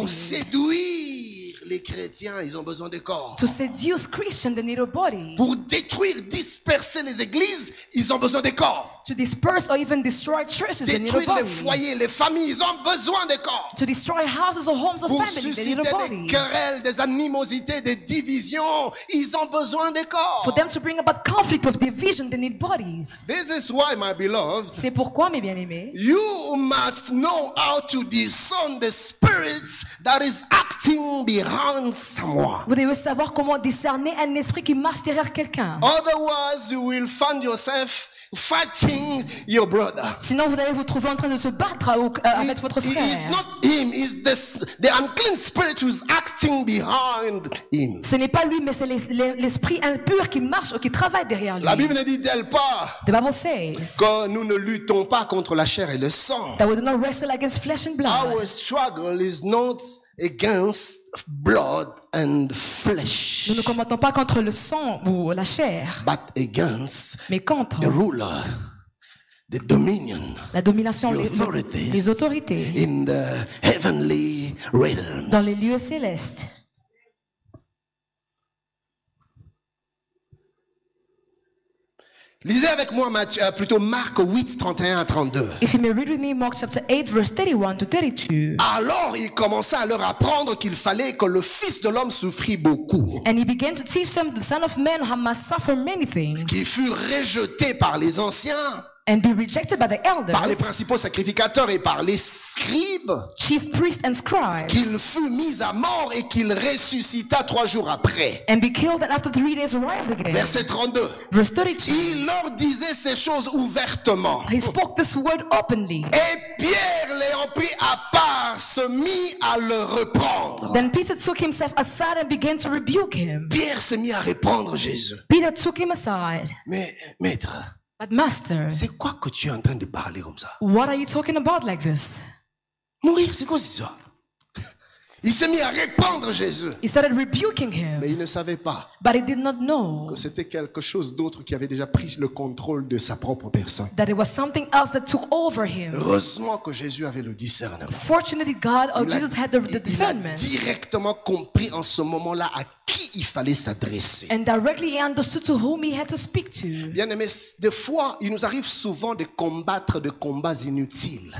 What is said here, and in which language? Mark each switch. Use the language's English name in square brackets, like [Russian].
[French] Pour séduire les chrétiens, ils ont besoin de corps. [English] To seduce Christians, they need a body. [French] Pour détruire, disperser les églises, ils ont besoin de corps. [English] To disperse or even destroy churches, they need a body. [French] Détruire les foyers, les familles, ils ont besoin de corps. [English] To destroy houses or homes of [French] pour [English] family, they need a body. [French] Pour susciter des querelles, des animosités, des divisions, ils ont besoin de corps. [English] For them to bring about conflict of division, they need bodies. This is why, my beloved, [French] c'est pourquoi, mes bien-aimés, [English] you must know how to discern the spirits that is acting behind someone. [French] Vous devez savoir comment discerner un esprit qui marche derrière quelqu'un. [English] Otherwise, you will find yourself fighting your brother. [French] Sinon, vous allez vous trouver en train de se battre avec votre frère. [English] It is not him; it's the unclean spirit who is acting behind him. [French] Ce n'est pas lui, mais c'est l'esprit impur qui marche ou qui travaille derrière lui. La Bible ne dit-elle pas? [English] The Bible says. [French] Que nous ne luttons pas contre la chair et le sang. [English] That we do not wrestle against flesh and blood. Our struggle is not against blood and flesh. [French] Nous ne combattons pas contre le sang ou la chair. [English] But against. [French] Mais contre. [English] The ruler, the dominion, [French] la domination, les autorités. [English] In the heavenly realms. [French] Dans les lieux célestes. Lisez avec moi Marc 8, 31 à 32. [English] If you may read with me Mark chapter 8, verse 31 to 32. [French] Alors il commença à leur apprendre qu'il fallait que le Fils de l'homme souffrît beaucoup. [English] And he began to teach them the Son of Man must suffer many things. [French] Qu'il fut rejeté par les anciens. [English] And be rejected by the elders. [French] Par les principaux sacrificateurs et par les scribes. [English] Chief priests and scribes. [French] Qu'il fut mis à mort et qu'il ressuscita trois jours après. [English] And be killed and after three days rise again. [French] Verset 32. [English] Verse 32. [French] Il leur disait ces choses ouvertement. [English] He spoke this word openly. [French] Et Pierre l'ayant pris à part se mit à le reprendre. [English] Then Peter took himself aside and began to rebuke him. [French] Pierre se mit à reprendre Jésus. [English] Peter took him aside. [French] Mais maître. [English] But master, [French] c'est quoi que tu es en train de parler comme ça? [English] What are you talking about like this? [French] Mourir, c'est quoi ça? Il s'est mis à répandre Jésus. [English] He started rebuking him. [French] Mais il ne savait pas. [English] But he did not know. [French] Que c'était quelque chose d'autre qui avait déjà pris le contrôle de sa propre personne. [English] That it was something else that took over him. [French] Heureusement que Jésus avait le discernement. [English] Fortunately, God or Jesus had the discernment. [French] Il a directement compris en ce moment-là à qui il fallait s'adresser. [English] And directly he understood to whom he had to speak to. [French] Bien aimé, des fois, il nous arrive souvent de combattre des combats inutiles.